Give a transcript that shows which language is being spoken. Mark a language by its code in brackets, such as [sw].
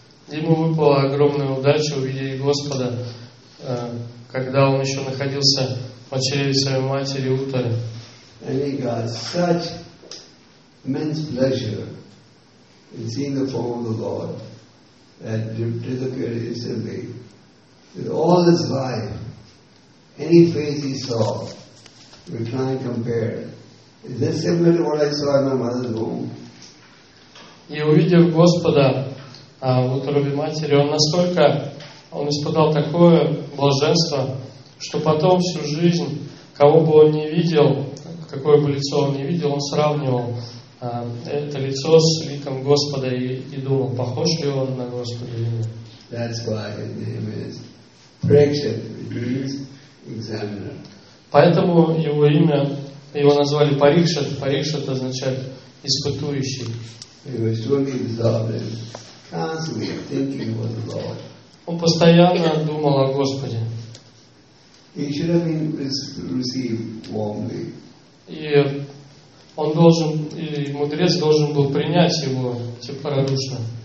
[ru] Ему выпала огромная удача увидеть Господа, когда он еще находился в чреве своей матери Утары. [en] And he got such immense pleasure in seeing the form of the Lord that disappeared instantly. With all his life, any face he saw, we try and compare. Is this similar to what I saw in my mother's womb? [ru] И увидев Господа в утробе матери, он настолько он испытал такое блаженство, что потом всю жизнь, кого бы он ни видел, какое бы лицо он ни видел, он сравнивал это лицо с ликом Господа и думал, похож ли он на Господа или нет. [en] That's why his name is Parikshit, means examiner. [ru] Поэтому его имя, его назвали Парикшит. Парикшит означает испытующий. [en] He was truly absorbed in constantly thinking about the Lord. [ru] Он постоянно думал о Господе. [en] He should have been received warmly. [ru] И он должен, и мудрец должен был принять его теплорадушно.